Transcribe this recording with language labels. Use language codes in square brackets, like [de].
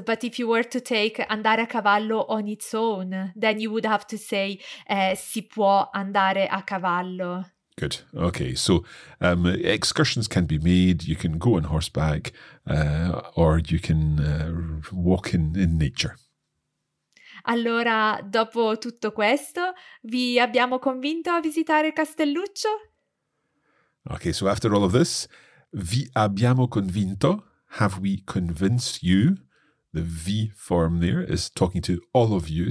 [en] But if you were to take [it] andare a cavallo [en] on its own, then you would have to say [it] si può andare a cavallo. [en] Good. Okay, so excursions can be made. You can go on horseback or you can walk in nature. [it] Allora, dopo tutto questo, vi abbiamo convinto a visitare Castelluccio? [en] Okay, so after all of this, [it] vi abbiamo convinto, [en] have we convinced you? The vi form there is talking to all of you.